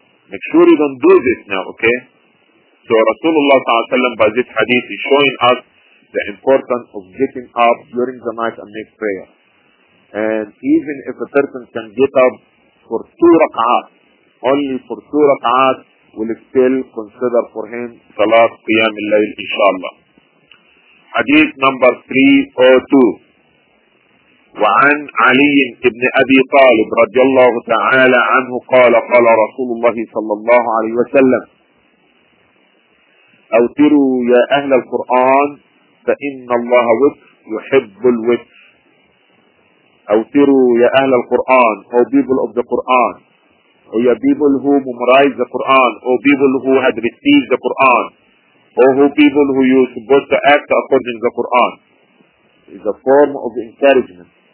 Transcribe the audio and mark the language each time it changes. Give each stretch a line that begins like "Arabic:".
English: Make sure you don't do this now, okay? So Rasulullah ﷺ by this hadith is showing us the importance of getting up during the night and make prayer. And even if a person can get up for two raka'at, only for two raka'at, will still consider for him Salat Qiyam al-Layl, inshallah. Hadith number 302.
Arabic: وعن علي بن أبي طالب رضي الله تعالى عنه قال قال رسول الله صلى الله عليه وسلم أوتروا يا أهل القرآن فإن الله وتر يحب الوتر. أوتروا يا أهل القرآن,
English: أو people of the Quran, أو يا people who memorize the Quran, أو people who had received the Quran, أو who people who you supposed to act according to the Quran, is a form of encouragement.